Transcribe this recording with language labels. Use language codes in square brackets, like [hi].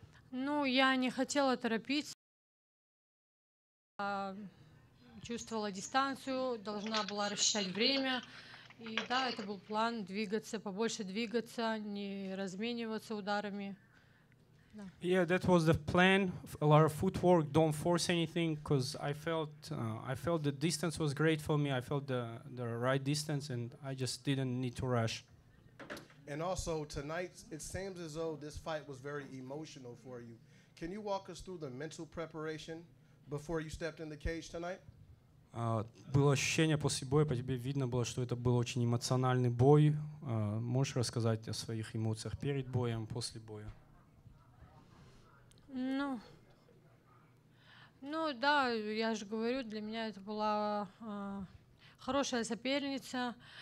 [ru] Ну, я не хотела торопиться. Чувствовала дистанцию, должна была рассчитать время. И да, это был план двигаться, побольше двигаться, не размениваться ударами. [en] No. Yeah, that was the plan. A lot of footwork. Don't force anything, because I felt the distance was great for me. I felt the right distance, and I just didn't need to rush. And also tonight, it seems as though this fight was very emotional for you. Can you walk us through the mental preparation before you stepped in the cage tonight? [ru] Было ощущение после боя, по тебе видно было, что это был очень эмоциональный бой. Можешь рассказать о своих эмоциях перед боем, после боя? Ну, да, я же говорю, для меня это была хорошая соперница.